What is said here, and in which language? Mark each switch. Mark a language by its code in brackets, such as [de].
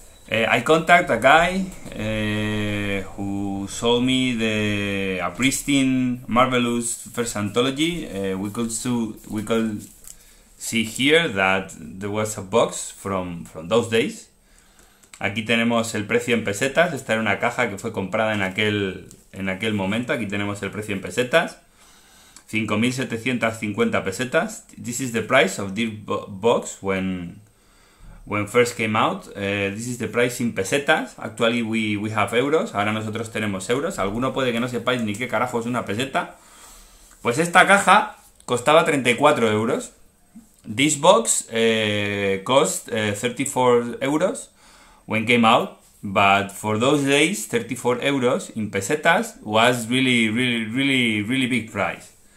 [en] I contact a guy who sold me a pristine, marvelous first anthology. We could see here that there was a box from those days. [es] Aquí tenemos el precio en pesetas. Esta era una caja que fue comprada en aquel momento. Aquí tenemos el precio en pesetas. 5.750 pesetas. [en] This is the price of this box when first came out. This is the price in pesetas. Actually we have euros. [es] Ahora nosotros tenemos euros. Alguno puede que no sepáis ni qué carajo es una peseta. Pues esta caja costaba 34 euros. [en] This box cost 34 euros when came out, but for those days, 34 euros in pesetas was really, really, really, really big price.